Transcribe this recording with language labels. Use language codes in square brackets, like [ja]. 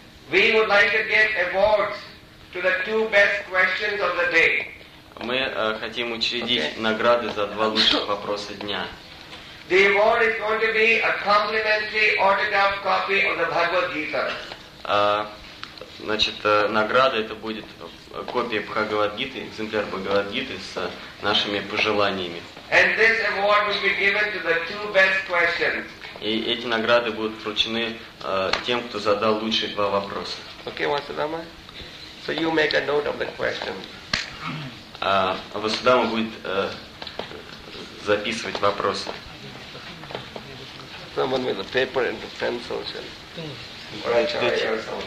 [en] We would like to get awards to the two best questions of the day. [ru] Мы хотим учредить награды за два лучших вопроса дня. [en] The award is going to be a complimentary autographed copy of the Bhagavad Gita. [ru] Награда это будет копия Бхагавад Гиты, экземпляр Бхагавад Гиты с нашими пожеланиями. [en] And this award will be given to the two best questions. [ru] И эти награды будут вручены тем, кто задал лучшие два вопроса. [en] Okay, Васудама. So you make a note of the question. [ru] Васудама будет записывать вопросы. [en] Someone with a paper and a pencil shall